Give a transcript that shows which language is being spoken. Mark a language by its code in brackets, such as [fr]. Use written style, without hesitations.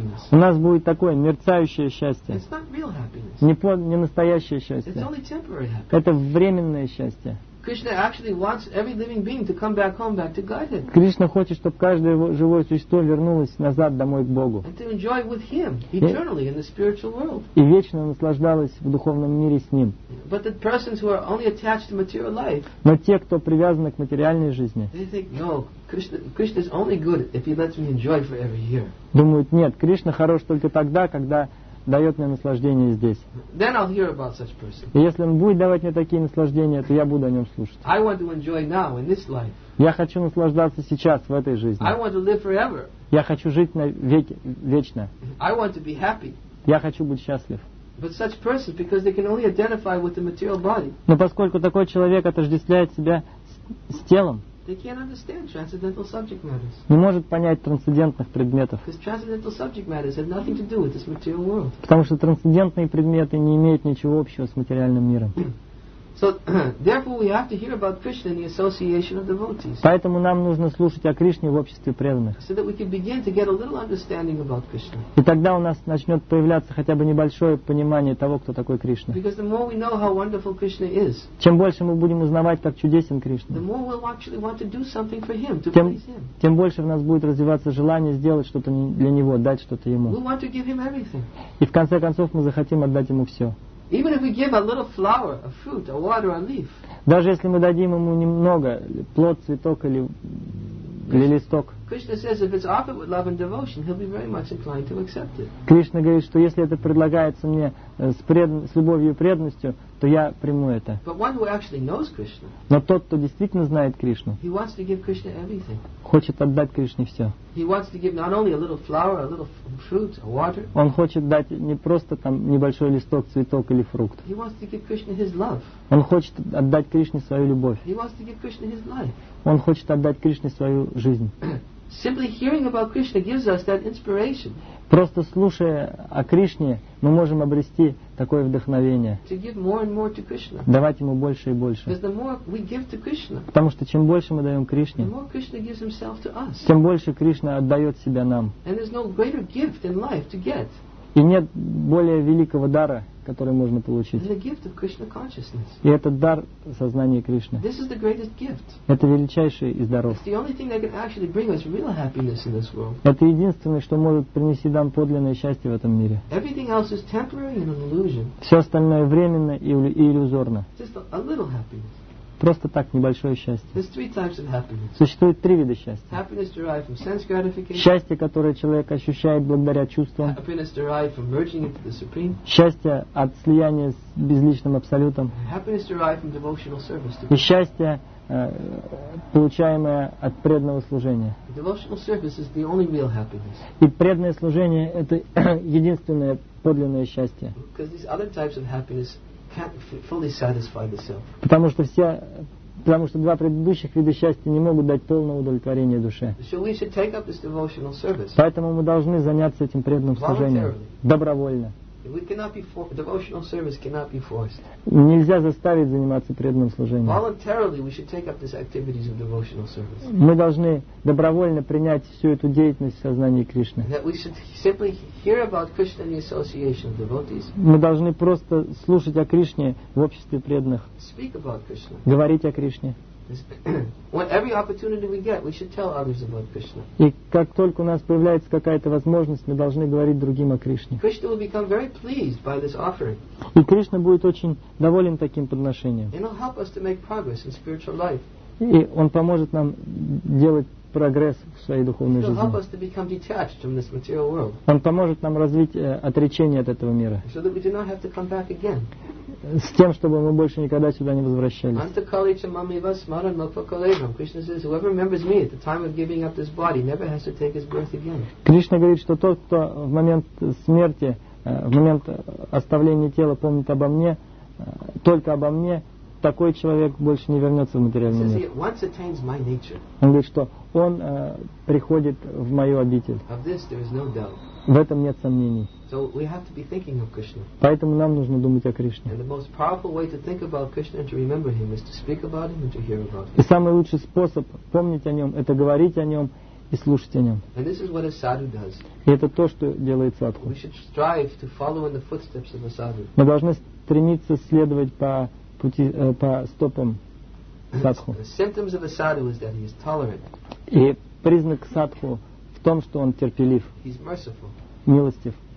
[ru] У нас будет такое мерцающее счастье. Не настоящее счастье. Это временное счастье. [en] Krishna actually wants every living being to come back home, back to Godhead. [ru] Кришна хочет, чтобы каждое живое существо вернулось назад домой к Богу. [en] And to enjoy with Him eternally in the spiritual world. [ru] И вечно наслаждалось в духовном мире с Ним. [en] But the persons who are only attached to material life. [ru] Но те, кто привязаны к материальной жизни. [en] They think, no, Krishna is only good if He lets me enjoy for every year. [ru] Думают, нет, Кришна хорош только тогда, когда дает мне наслаждение здесь. [en] Then I'll hear about such person. [ru] И если он будет давать мне такие наслаждения, то я буду о нем слушать. [en] I want to enjoy now in this life. [ru] Я хочу наслаждаться сейчас, в этой жизни. [en] I want to live forever. [ru] Я хочу жить на веки, вечно. [en] I want to be happy. [ru] Я хочу быть счастлив. [en] But such persons, because they can only identify with the material body. [ru] Но поскольку такой человек отождествляет себя с телом, [en] they can't understand transcendental subject matters. [ru] Не может понять трансцендентных предметов. [en] Because transcendental subject matters have nothing to do with this material world. [ru] Потому что трансцендентные предметы не имеют ничего общего с материальным миром. [en] So therefore we have to hear about Krishna in the association of devotees. [ru] Поэтому нам нужно слушать о Кришне в обществе преданных. [en] So that we can begin to get a little understanding about Krishna. [ru] И тогда у нас начнет появляться хотя бы небольшое понимание того, кто такой Кришна. [en] Because the more we know how wonderful Krishna is. [ru] Чем больше мы будем узнавать, как чудесен Кришна. [en] The more we'll actually want to do something for him, to please him. [ru] Тем больше в нас будет развиваться желание сделать что-то для него, дать что-то ему. [en] We want to give him everything. [ru] И в конце концов мы захотим отдать ему все. [en] Even if we give a little flower, a fruit, a water, a leaf. [ru] Даже если мы дадим ему немного, плод, цветок или листок. [en] Krishna says if it's offered with love and devotion, he'll be very much inclined to accept it. [ru] Кришна говорит, что если это предлагается мне с любовью и преданностью, то я приму это. [en] But one who actually knows Krishna. [ru] Но тот, кто действительно знает Кришну. [en] He wants to give Krishna everything. [ru] Хочет отдать Кришне все. [en] He wants to give not only a little flower, a little fruit, a water. [ru] Он хочет дать не просто там небольшой листок, цветок или фрукт. [en] He wants to give Krishna his love. [ru] Он хочет отдать Кришне свою любовь. [en] He wants to give Krishna his life. [ru] Он хочет отдать Кришне свою жизнь. [en] Simply hearing about Krishna gives us that inspiration. [ru] Просто слушая о Кришне, мы можем обрести такое вдохновение. [en] To give more and more to Krishna. [ru] Давать ему больше и больше. [en] Because the more we give to Krishna, [ru] потому что чем больше мы даем Кришне, [en] the more Krishna gives himself to us. [ru] Тем больше Кришна отдает себя нам. [en] And there's no greater gift in life to get. [ru] И нет более великого дара, который можно получить. [en] The gift of Krishna consciousness. [ru] И этот дар сознания Кришны. [en] This is the greatest gift. [ru] Это величайший из даров. [en] It's the only thing that can actually bring us real happiness in this world. [ru] Это единственное, что может принести нам подлинное счастье в этом мире. [en] Everything else is temporary and an illusion. [ru] Все остальное временно и иллюзорно. [en] Just a little happiness. [ru] Просто так, небольшое счастье. [en] There's three types of happiness. [ru] Существует три вида счастья. [en] Happiness derived from sense gratification. [ru] Счастье, которое человек ощущает благодаря чувствам. [en] Happiness derived from merging into the supreme. [ru] Счастье от слияния с безличным абсолютом. [en] Happiness derived from devotional service. [ru] И счастье, получаемое от преданного служения. [en] Devotional service is the only real happiness. [ru] И преданное служение – это единственное подлинное счастье. [en] Because these other types of happiness can't fully satisfy the self. [ru] Потому что два предыдущих вида счастья не могут дать полного удовлетворения душе. [en] So we should take up this devotional service. [ru] Поэтому мы должны заняться этим преданным служением добровольно. [en] We cannot be devotional service cannot be forced. [ru] Нельзя заставить заниматься преданным служением. [en] Voluntarily we should take up these activities of devotional service. [ru] Мы должны добровольно принять всю эту деятельность в сознании Кришны. [en] That we should simply hear about Krishna in the association of devotees. [ru] Мы должны просто слушать о Кришне в обществе преданных. [en] Speak about Krishna. [ru] Говорить о Кришне. [en] Every opportunity we get, we should tell others about Krishna. [ru] И как только у нас появляется какая-то возможность, мы должны говорить другим о Кришне. [en] Krishna will become very pleased by this offering. [ru] И Кришна будет очень доволен таким подношением. [en] And he'll help us to make progress in spiritual life. [ru] И он поможет нам делать прогресс в своей духовной [en] he'll [ru] жизни. [en] Help us to become detached from this material world. [ru] Он поможет нам развить отречение от этого мира. [en] So that we do not have to come back again. [ru] С тем, чтобы мы больше никогда сюда не возвращались. [sa] Antakali chamamiva smaran mapakalevam. [en] Krishna says, whoever remembers me at the time of giving up this body never has to take his birth again. [ru] Кришна говорит, что тот, кто в момент смерти, в момент оставления тела помнит обо мне, только обо мне, такой человек больше не вернется в материальный мир. [en] He says, he once attains my nature. [ru] Он говорит, что он приходит в мою обитель. [en] Of this there is no doubt. [ru] В этом нет сомнений. [en] So we have to be thinking of Krishna. [ru] Поэтому нам нужно думать о Кришне. [en] And the most powerful way to think about Krishna and to remember him is to speak about him and to hear about him. [ru] И самый лучший способ помнить о нем – это говорить о нем и слушать о нем. [en] And this is what a sadhu does. [ru] И это то, что делает садху. [en] We should strive to follow in the footsteps of a sadhu. [ru] Мы должны стремиться следовать по пути, по стопам садху. [en] The symptoms of a sadhu is that he is tolerant. [ru] И признак садху в том, что он терпелив, милостив.